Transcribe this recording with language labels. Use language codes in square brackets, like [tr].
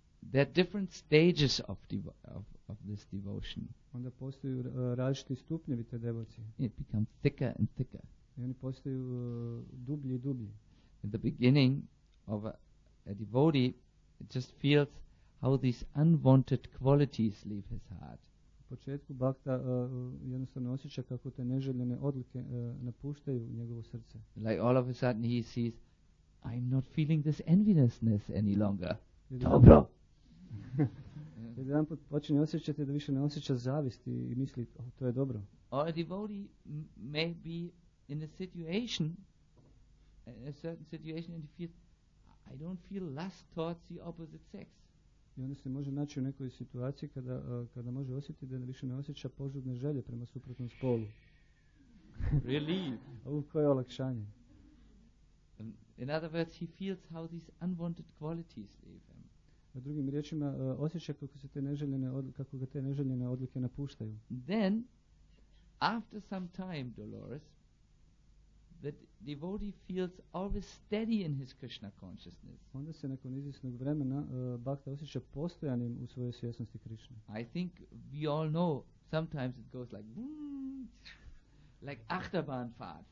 [en] There are different stages of this devotion. [hr] Onda postoje različiti stupnjevi te devocije. [en] It becomes thicker and thicker. [hr] I oni postaju dublji i dublji. [en] In the beginning of a devotee, it just feels how these unwanted qualities leave his heart. [hr] U početku bhakta jednostavno osjeća kako te neželjene odlike napuštaju njegovo srce. [en] Like all of a sudden he sees, I'm not feeling this enviousness any longer. [hr] Dobro. Jedan put počinje osjećati da više ne osjeća zavist i misli, oh, to je dobro. [en] Or a devotee may be in a situation, a certain situation, and he feels, I don't feel lust towards the opposite sex. [hr] I onda se može naći u nekoj situaciji kada može osjetiti da više ne osjeća požudne želje prema suprotnom spolu. [en] Relief. [hr] Ovo koje olakšanje. [en] In other words, he feels how these unwanted qualities leave him. [hr] drugim riječima osjeća kako se te neželjene kako ga te neželjene odlike napuštaju. [en] Then after some time, Dolores, the devotee feels always steady in his Krishna consciousness. [hr] Onda se nakon izvjesnog vremena bhakta osjeća postojanim u svojoj svjesnosti Krishne. [en] I think we all know sometimes it goes like like achterbahnfahrt.